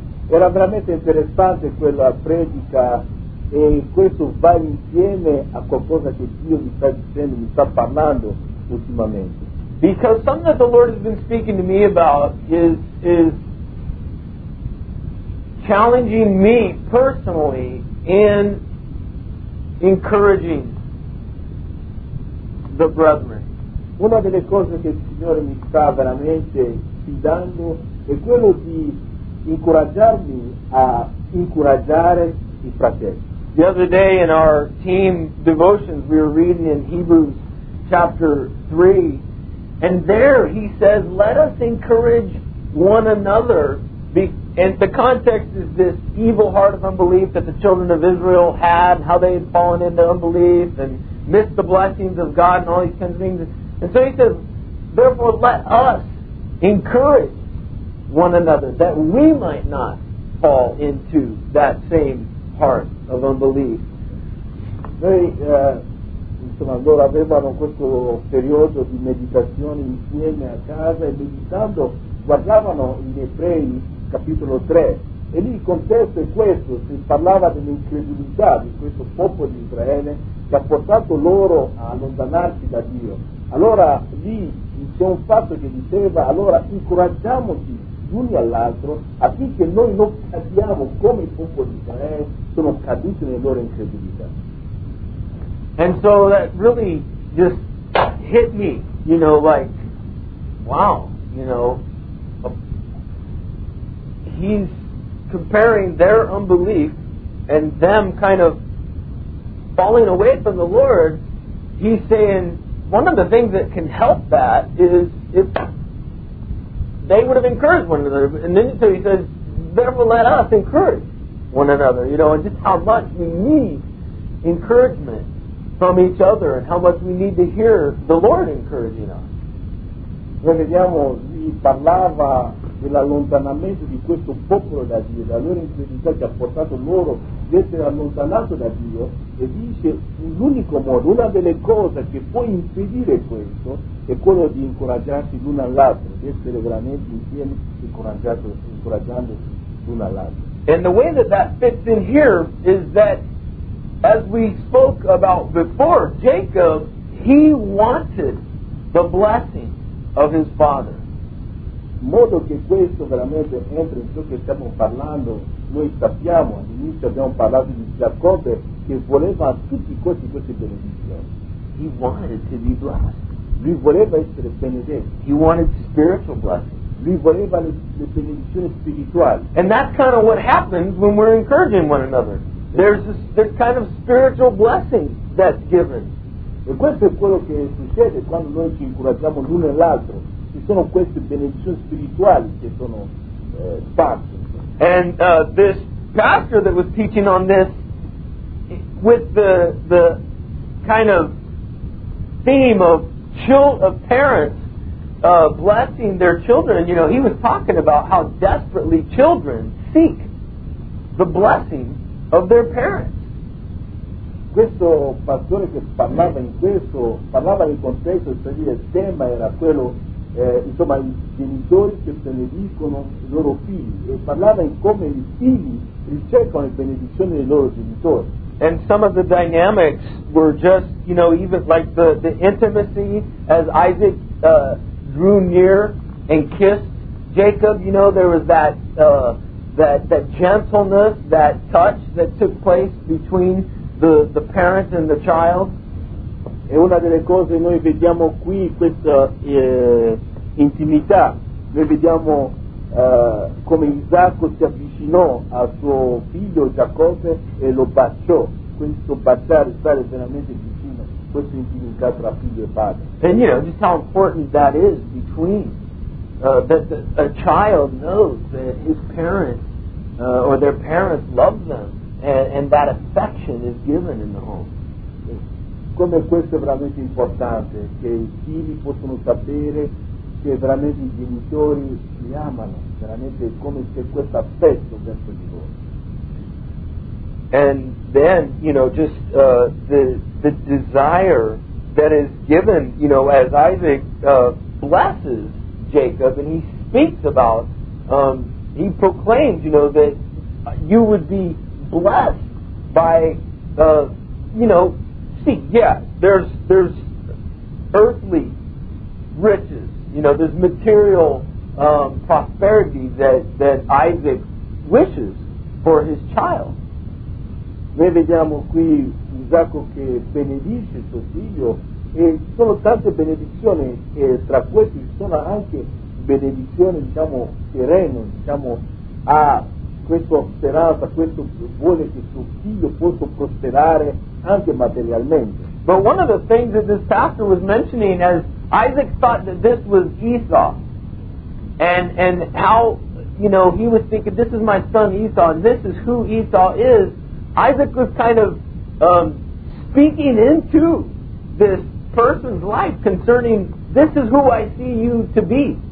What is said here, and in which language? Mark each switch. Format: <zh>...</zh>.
<it>Era veramente interessante quella predica, e questo va insieme a qualcosa che Dio mi sta dicendo, mi sta parlando ultimamente.</it> <en>Because something that the Lord has been speaking to me about is challenging me personally in encouraging the brethren.</en> <it>Una delle cose che il Signore mi sta veramente fidando è quello di incoraggiarmi a incoraggiare i fratelli.</it> <en>The other day in our team devotions we were reading in Hebrews chapter 3, and there he says, let us encourage one another. And the context is this evil heart of unbelief that the children of Israel had, how they had fallen into unbelief and missed the blessings of God and all these kinds of things. And so he says, therefore let us encourage one another, that we might not fall into that same heart of unbelief.</en> <it>Noi, insomma, loro avevano questo periodo di meditazione insieme a casa, e meditando guardavano in Ebrei capitolo 3, e lì il contesto è questo: si parlava dell'incredulità di questo popolo di Israele che ha portato loro a allontanarsi da Dio. Allora lì c'è un fatto che diceva, allora incoraggiamoci l'uno all'altro affinché noi non cadiamo come il popolo di Israele sono caduti nella loro incredulità.</it> <en>And so that really just hit me, you know, like, wow, you know, he's comparing their unbelief and them kind of falling away from the Lord. He's saying one of the things that can help that is if they would have encouraged one another. And then so he says, therefore let us encourage one another, you know, and just how much we need encouragement from each other and how much we need to hear the Lord encouraging us.</en> <it>Noi vediamo, lui parlava dell'allontanamento di questo popolo da Dio, la loro incredulità che ha portato loro ad essere allontanato da Dio, e dice l'unico modo, una delle cose che può impedire questo è quello di incoraggiarsi l'uno all'altro, di essere veramente insieme incoraggiandosi l'uno all'altro.</it> <en>And the way that that fits in here is that, as we spoke about before, Jacob, he wanted the blessing of his father.</en> <it>In modo che questo veramente entra in ciò che stiamo parlando, noi sappiamo, all'inizio abbiamo parlato di Giacobbe che voleva tutti questi benedizioni.</it> <en>He wanted to be blessed.</en> <it>Lui voleva essere benedetto.</it> <en>He wanted spiritual blessing.</en> <it>Lui voleva le benedizioni spirituali.</it> <en>And that's kind of what happens when we're encouraging one another. There's kind of spiritual blessing that's given.</en> <it>E questo è quello che succede quando noi ci incoraggiamo l'uno e l'altro. Ci sono queste benedizioni spirituali che sono fatte.</it> <en>And this pastor that was teaching on this, with the kind of theme of parents blessing their children, you know, he was talking about how desperately children seek the blessing of their parents.</en> <it>Questo pastore che parlava in questo, parlava in contesto, cioè il tema era quello, insomma, i genitori che benediscono i loro figli, e parlava in come i figli ricercano le benedizioni dei loro genitori.</it> <en>And some of the dynamics were just, you know, even like the intimacy as Isaac drew near and kissed Jacob, you know, there was that that gentleness, that touch that took place between the parent and the child.</en> <it>È una delle cose noi vediamo qui, questa intimità noi vediamo come Isacco si avvicinò a suo figlio Giacobbe e lo baciò. Questo baciare, stare veramente vicino, questa intimità tra figlio e padre.</it> <en>And you know just how important that is between that a child knows that his parents or their parents love them, and that affection is given in the home.</en> <it>Come questo è veramente importante, che i figli possono sapere che veramente i genitori li amano, veramente come c'è questo affetto verso di loro.</it> <en>And then, you know, just the desire that is given, you know, as Isaac blesses Jacob, and he speaks about, he proclaims, you know, that you would be blessed by, you know, see, yeah, there's earthly riches, you know, there's material prosperity that Isaac wishes for his child.</en> <it>Noi vediamo qui Isacco che benedice suo figlio, e sono tante benedizioni, e tra queste sono anche benedizioni, diciamo, terreno, diciamo, a questo sperata, questo vuole che suo figlio possa prosperare anche materialmente.</it> <en>But one of the things that this pastor was mentioning, as Isaac thought that this was Esau, and how, you know, he was thinking, this is my son Esau, and this is who Esau is, Isaac was kind of speaking into this person's life concerning, this is who I see you to be.</en>